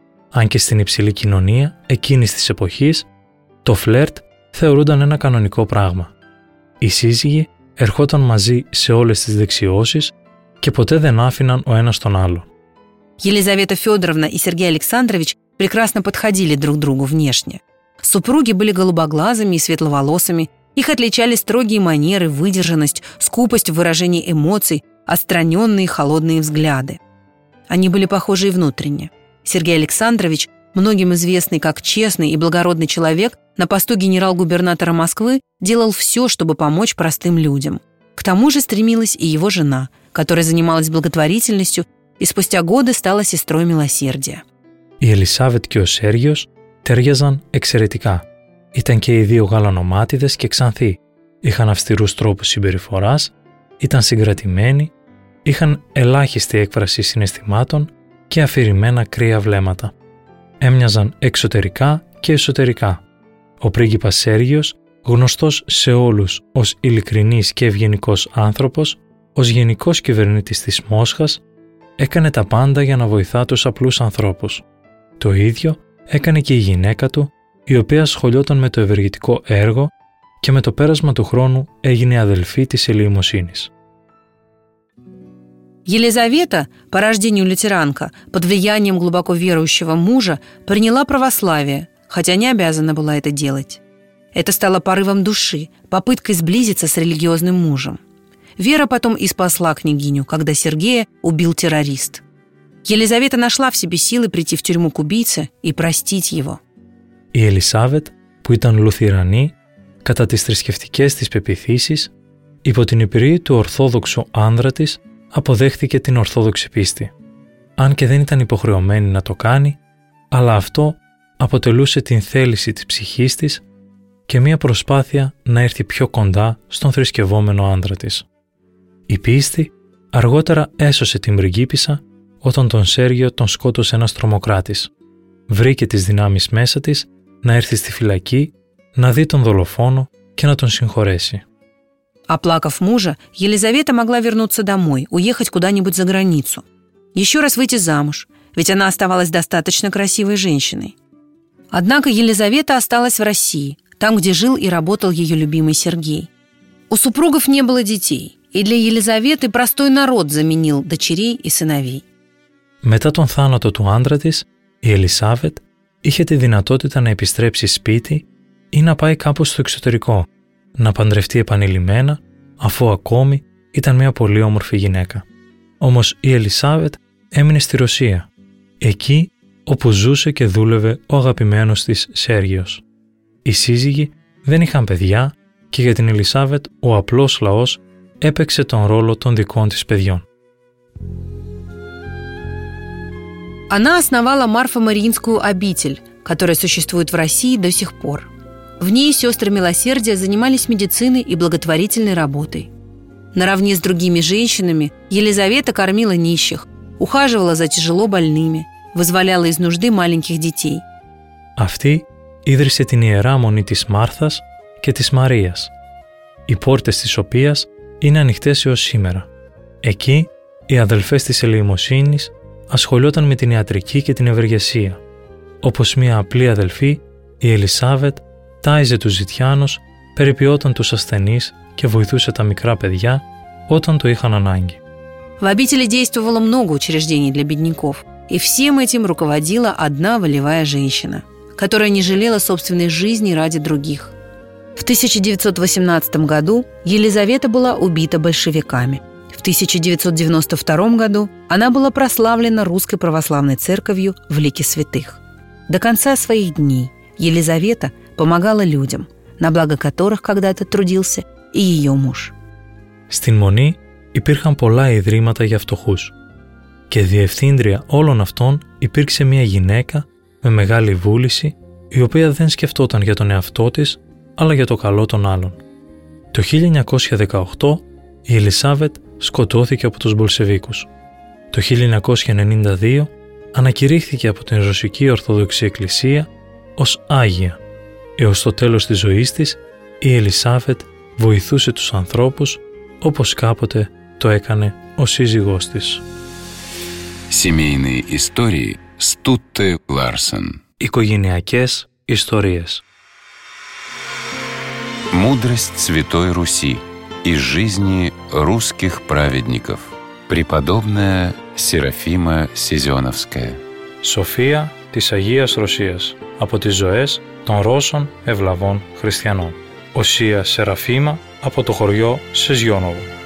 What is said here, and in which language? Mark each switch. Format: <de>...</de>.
<el>Αν και στην υψηλή κοινωνία εκείνης της εποχής, το φλερτ θεωρούνταν ένα κανονικό πράγμα. Οι σύζυγοι ερχόταν μαζί σε όλες τις δεξιώσεις και ποτέ δεν άφηναν ο ένας τον άλλο. Η Ελισάβετα Φιόντροβνα και ο Σεργέι Αλεξάνδροβιτς</el> <ru>прекрасно подходили друг другу внешне. Супруги были голубоглазыми и светловолосыми, их отличали строгие манеры, выдержанность, скупость в выражении эмоций, отстраненные холодные взгляды. Они были похожи и внутренне. Сергей Александрович, многим известный как честный и благородный человек, на посту генерал-губернатора Москвы делал все, чтобы помочь простым людям. К тому же стремилась и его жена, которая занималась благотворительностью и спустя годы стала сестрой милосердия.</ru> <el>Η Ελισάβετ και ο Σέργιος ταιριαζαν εξαιρετικά. Ήταν και οι δύο γαλανομάτιδες και ξανθοί. Είχαν αυστηρούς τρόπους συμπεριφοράς, ήταν συγκρατημένοι, είχαν ελάχιστη έκφραση συναισθημάτων και αφηρημένα κρύα βλέμματα. Έμοιαζαν εξωτερικά και εσωτερικά. Ο πρίγκιπας Σέργιος, γνωστός σε όλους ως ειλικρινής και ευγενικός άνθρωπος, ως γενικός κυβερνήτης της Μόσχας, έκανε τα πάντα για να βοηθά τους απλούς ανθρώπους. Το ίδιο έκανε και η γυναίκα του, η οποία ασχολιόταν με το ευεργετικό έργο και με το πέρασμα του χρόνου έγινε αδελφή της ελεημοσύνης.</el> <ru>Елизавета, по рождению лютеранка, под влиянием глубоко верующего мужа, приняла православие, хотя не обязана была это делать. Это стало порывом души, попыткой сблизиться с религиозным мужем. Вера потом и спасла княгиню, когда Сергея убил террорист. Елизавета нашла в себе силы прийти в тюрьму к убийце и простить его.</ru> <el>Η Ελισάβετ, που ήταν λουθυρανή, κατά τις θρησκευτικές της πεποιθήσεις, υπό την επιρροή του ορθόδοξου άνδρα της, αποδέχθηκε την ορθόδοξη πίστη. Αν και δεν ήταν υποχρεωμένη να το κάνει, αλλά αυτό αποτελούσε την θέληση της ψυχής της και μια προσπάθεια να έρθει πιο κοντά στον θρησκευόμενο άνδρα της. Η πίστη αργότερα έσωσε την πριγκίπισσα όταν τον Σέργιο τον σκότωσε ένας τρομοκράτης. Βρήκε τις δυνάμεις μέσα της να έρθει στη φυλακή, να δει τον δολοφόνο και να τον συγχωρέσει.</el> <ru>Оплакав мужа, Елизавета могла вернуться домой, уехать куда-нибудь за границу. Еще раз выйти замуж, ведь она оставалась достаточно красивой женщиной. Однако Елизавета осталась в России, там, где жил и работал ее любимый Сергей. У супругов не было детей, и для Елизаветы простой народ заменил дочерей и сыновей.</ru> <el>Μετά τον θάνατο του άντρα της, η Ελισάβετ είχε τη δυνατότητα να επιστρέψει σπίτι ή να πάει κάπου στο εξωτερικό, να παντρευτεί επανειλημμένα, αφού ακόμη ήταν μια πολύ όμορφη γυναίκα. Όμως η Ελισάβετ έμεινε στη Ρωσία, εκεί όπου ζούσε και δούλευε ο αγαπημένος της Σέργιος. Οι σύζυγοι δεν είχαν παιδιά και για την Ελισάβετ ο απλός λαός έπαιξε τον ρόλο των δικών της παιδιών.</el> <ru>Она основала Марфо-Мариинскую обитель, которая существует в России до сих пор. В ней сестры Милосердия занимались медициной и благотворительной работой. Наравне с другими женщинами Елизавета кормила нищих, ухаживала за тяжело больными, вызволяла из нужды маленьких детей.</ru> <el>Αυτή ίδρυσε την ιερά μονή της Μάρθας και της Μαρίας, οι πόρτες της οποίας είναι ανοιχτές έως σήμερα. Εκεί οι αδελφές της ελεημοσύνης ασχολιόταν με την ιατρική και την ευεργεσία. Όπως μια απλή αδελφή, η Ελισάβετ τάιζε τους ζητιάνους, περιποιόταν τους ασθενείς και βοηθούσε τα μικρά παιδιά όταν το είχαν ανάγκη.</el> <ru>В обители действовало много учреждений для бедняков, и всем этим руководила одна волевая женщина, которая не жалела собственной жизни ради других. В 1918 году Елизавета была убита большевиками. В 1992 году она была прославлена Русской Православной Церковью в лике святых. До конца своих дней Елизавета помогала людям, на благо которых когда-то трудился и ее муж.</ru> <el>Στην Μονή υπήρχαν πολλά ιδρύματα για φτωχούς. Και διευθύντρια όλων αυτών υπήρξε μια γυναίκα με μεγάλη βούληση, η οποία δεν σκεφτόταν για τον εαυτό της, αλλά για το καλό των άλλων. Το 1918 η Ελισάβετ σκοτώθηκε από τους Μπολσεβίκους. Το 1992 ανακηρύχθηκε από την Ρωσική Ορθόδοξη Εκκλησία ως Άγια. Έως το τέλος της ζωής της, η Ελισάβετ βοηθούσε τους ανθρώπους όπως κάποτε το έκανε ο σύζυγός της.</el> <ru>Семейные истории Стутте Ларсен.</ru> <el>Οικογενειακές ιστορίες.</el> <ru>Мудрость Святой Руси. Из жизни русских праведников. Преподобная Серафима Сезеновская.</ru> <el>София της Αγίας Ρωσίας. Από τις ζωές των Ρώσων ευλαβών χριστιανών. Οσία Σεραφίμα από το χωριό Σεζιόνοβο.</el>